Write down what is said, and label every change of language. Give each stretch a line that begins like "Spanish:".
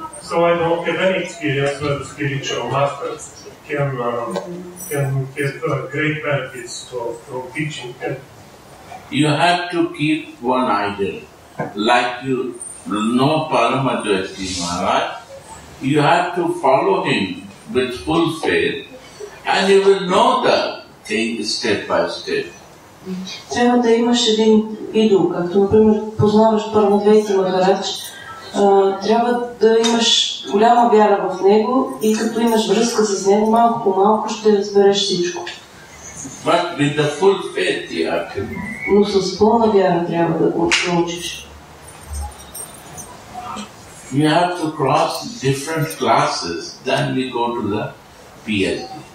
English: So I don't have any experience where the spiritual master can get great benefits from teaching. You have to keep one idea, like you know Paramadvaiti Maharaj. You have to follow him with full faith, and you will know the thing step by step.
Bulgarian: Трябва да имаш един идол, както, например, познаваш Парамадвайти Махарадж, трябва да имаш голяма вяра в него и като имаш връзка с него, малко по малко ще разбереш всичко.
English: But with the full faith you have to...
Bulgarian: Но с пълна вяра трябва да го научиш.
English: We have to cross different classes, then we go to the PhD.